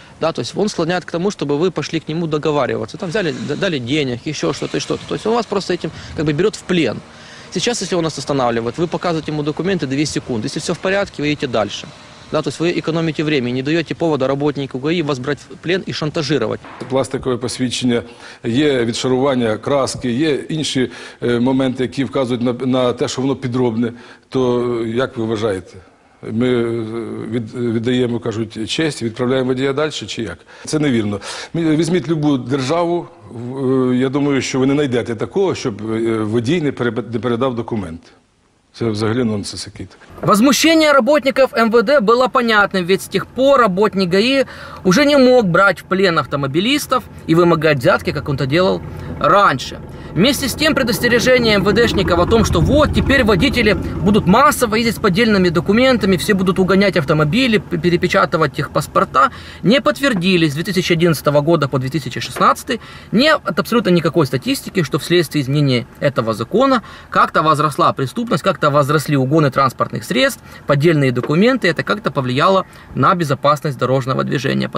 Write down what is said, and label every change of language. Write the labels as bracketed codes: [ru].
[ru] Да, то есть он склоняет к тому, чтобы вы пошли к нему договариваться. Там взяли, дали денег, еще что-то и что-то. То есть он вас просто этим как бы берет в плен. Сейчас, если он нас останавливает, вы показываете ему документы 2 секунды. Если все в порядке, вы едете дальше. Да, то есть вы экономите время, не даете повода работнику ГАИ вас брать в плен и шантажировать. [uk] Пластикове посвідчення, є відшарування краски, є інші моменти, які вказують на те, що воно підробне. То як ви вважаєте? Ми віддаємо, кажуть, честь, відправляємо водія далі чи як? Це невірно. Візьміть будь-яку державу, я думаю, що ви не знайдете такого, щоб водій не передав документ. [ru] Это вообще нонсенс какой-то. Возмущение работников МВД было понятным, ведь с тех пор работник ГАИ уже не мог брать в плен автомобилистов и вымогать взятки, как он это делал раньше. Вместе с тем предостережение МВДшников о том, что вот теперь водители будут массово ездить с поддельными документами, все будут угонять автомобили, перепечатывать их паспорта, не подтвердились с 2011 года по 2016, нет абсолютно никакой статистики, что вследствие изменения этого закона как-то возросла преступность, как-то возросли угоны транспортных средств, поддельные документы, это как-то повлияло на безопасность дорожного движения.